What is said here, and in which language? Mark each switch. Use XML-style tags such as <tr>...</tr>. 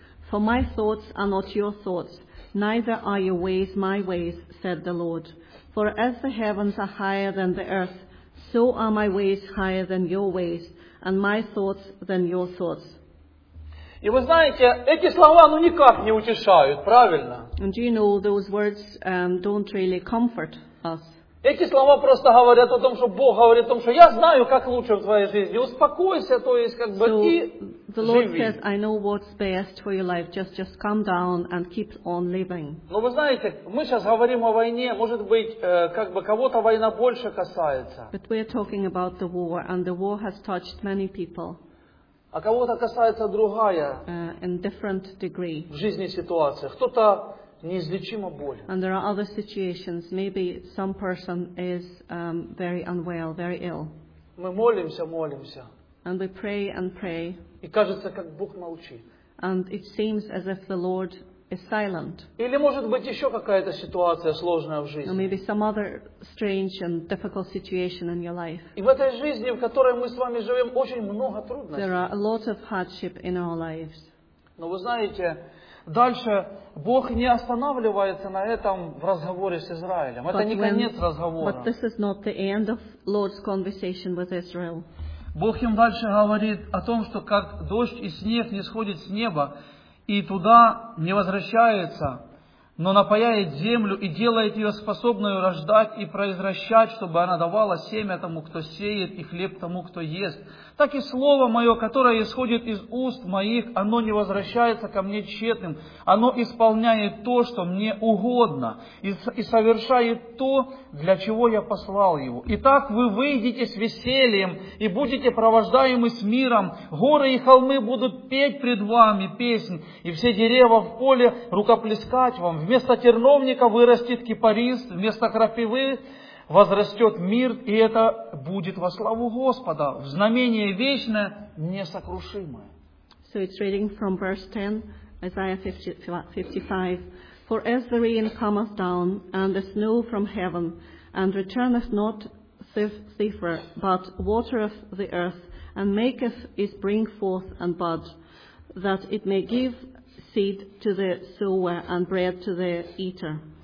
<en>For my thoughts are not your thoughts, neither are your ways my ways, said the Lord. For as the heavens are higher than the earth, So are my ways higher than your ways, and my thoughts than your thoughts.</en> <ru>И вы знаете, эти слова, ну, никак не утешают, правильно?</ru> <en>And do you know those words don't really comfort us?</en> <ru>Эти слова просто говорят о том, что Бог говорит о том, что я знаю, как лучше в твоей жизни. Успокойся, то есть как бы и</ru> <en>the Lord says, I know what's best for your life. Just calm down and keep on living.</en> <ru>Но вы знаете, мы сейчас говорим о войне. Может быть, как бы кого-то война больше касается.</ru> <en>But we are talking about the war, and the war has touched many people.</en> <ru>А кого-то касается другая.</ru> <en>In different degree.</en> <ru>В жизни ситуация. Кто-то неизлечимо болен.</ru> <en>And there are other situations. Maybe some person is very unwell, very ill.</en> <ru>Мы молимся, молимся.</ru> <en>And we pray and pray.</en> <ru>И кажется, как Бог молчит.</ru> <en>And it seems as if the Lord is silent.</en> <ru>Или может быть еще какая-то ситуация сложная в жизни.</ru> <en>Or maybe some other strange and difficult situation in your life.</en> <ru>И в этой жизни, в которой мы с вами живем, очень много трудностей.</ru> <en>There are a lot of hardship in our lives.</en> <ru>Но вы знаете, дальше Бог не останавливается на этом в разговоре с Израилем. Это не конец разговора.</ru> <en>But this is not the end of Lord's conversation with Israel.</en> <ru>Бог им дальше говорит о том, что как дождь и снег не сходит с неба и туда не возвращается, но напояет землю и делает ее способную рождать и произращать, чтобы она давала семя тому, кто сеет, и хлеб тому, кто ест. Так и слово мое, которое исходит из уст моих, оно не возвращается ко мне тщетным. Оно исполняет то, что мне угодно, и совершает то, для чего я послал его. Итак, вы выйдете с весельем и будете провождаемы с миром. Горы и холмы будут петь пред вами песнь, и все деревья в поле рукоплескать вам. Вместо терновника вырастет кипарис, вместо крапивы возрастет мир, и это будет во славу Господа, в знамение вечное, несокрушимое.</ru> <en>So it's reading from verse 10, Isaiah 55. For as the rain cometh down, and the snow from heaven, and returneth not thither, but watereth the earth, and maketh it bring forth and bud, that it may give seed to the sower, and bread to the eater.</en>